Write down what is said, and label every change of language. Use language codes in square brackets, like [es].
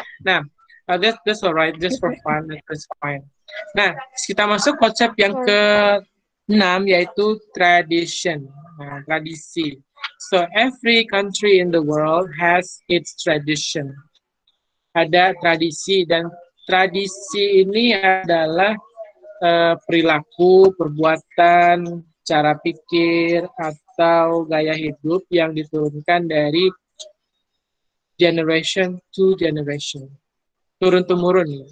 [en] Nah, this all right, just for fun, it's fine. [id] Nah, kita masuk konsep yang ke 6, yaitu tradition, tradisi. [en] So every country in the world has its tradition. [id] Ada tradisi, dan tradisi ini adalah perilaku, perbuatan, cara pikir, atau gaya hidup yang diturunkan dari [en] generation to generation. [id] Turun-temurun.